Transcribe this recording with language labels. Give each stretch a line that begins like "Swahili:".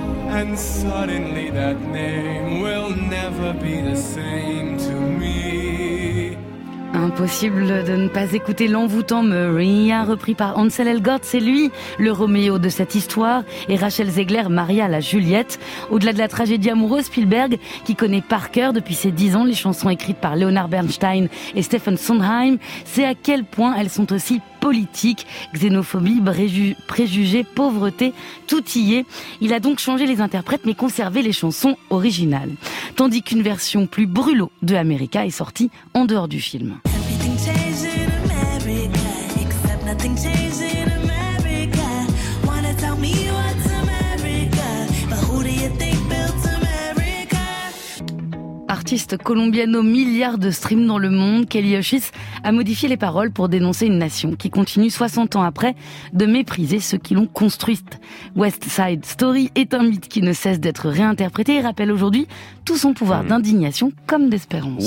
English: And suddenly that name will never be the same to me.
French: Impossible de ne pas écouter l'envoûtant Maria, repris par Ansel Elgort. C'est lui, le Roméo de cette histoire, et Rachel Zegler, Maria, la Juliette. Au-delà de la tragédie amoureuse, Spielberg, qui connaît par cœur depuis ses 10 ans les chansons écrites par Leonard Bernstein et Stephen Sondheim, sait à quel point elles sont aussi politiques. Xénophobie, préjugés, pauvreté, tout y est. Il a donc changé les interprètes, mais conservé les chansons originales. Tandis qu'une version plus brûlot de America est sortie en dehors du film.
English: Everything changed in America, except nothing changed in America. Wanna tell me what's America, but who do you think built America?
French: Artiste colombienne aux milliards de streams dans le monde, Kelly Hoshis a modifié les paroles pour dénoncer une nation qui continue 60 ans après de mépriser ceux qui l'ont construite. West Side Story est un mythe qui ne cesse d'être réinterprété et rappelle aujourd'hui tout son pouvoir d'indignation comme d'espérance.